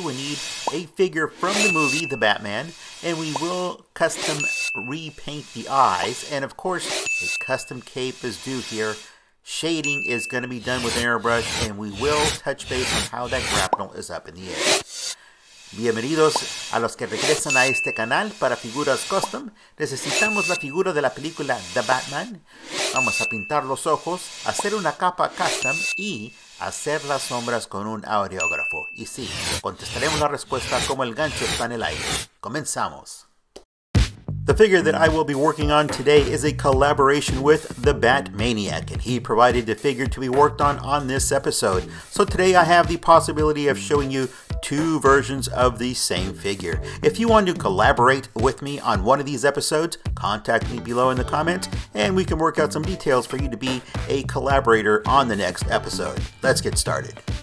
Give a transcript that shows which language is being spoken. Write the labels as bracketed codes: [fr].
[en] We need a figure from the movie, The Batman, and we will custom repaint the eyes, and of course, a custom cape is due here. Shading is going to be done with an airbrush, and we will touch base on how that grapnel is up in the air. [es] Bienvenidos a los que regresan a este canal para figuras custom. Necesitamos la figura de la película The Batman. Vamos a pintar los ojos, hacer una capa custom y hacer las sombras con un aureógrafo. Y sí, contestaremos la respuesta como el gancho está en el aire. Comenzamos. [en] The figure that I will be working on today is a collaboration with the Batmaniac, and he provided the figure to be worked on this episode. So today I have the possibility of showing you two versions of the same figure. If you want to collaborate with me on one of these episodes, contact me below in the comments, and we can work out some details for you to be a collaborator on the next episode. Let's get started.